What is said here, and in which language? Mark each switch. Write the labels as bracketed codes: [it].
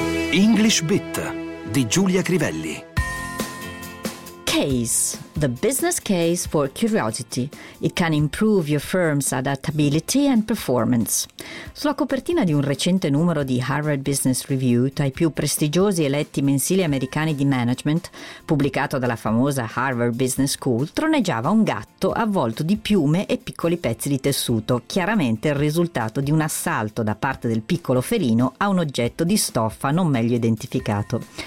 [it] English Bit di Giulia Crivelli. [en] Case, the business case for curiosity. It can improve your firm's adaptability and performance. [it] Sulla copertina di un recente numero di Harvard Business Review, tra i più prestigiosi eletti mensili americani di management, pubblicato dalla famosa Harvard Business School, troneggiava un gatto avvolto di piume e piccoli pezzi di tessuto, chiaramente il risultato di un assalto da parte del piccolo felino a un oggetto di stoffa non meglio identificato.